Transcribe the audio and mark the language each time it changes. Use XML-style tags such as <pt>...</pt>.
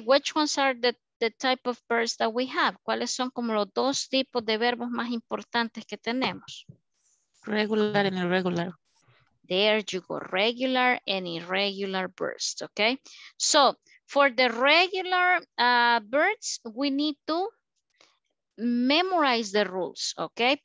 <en>Which ones are the type of verbs that we have?</en> <es>¿Cuáles son como los dos tipos de verbos más importantes que tenemos?</es> <en>Regular and irregular. There you go, regular and irregular verbs, okay? So for the regular verbs, we need to memorize the rules, okay?</en>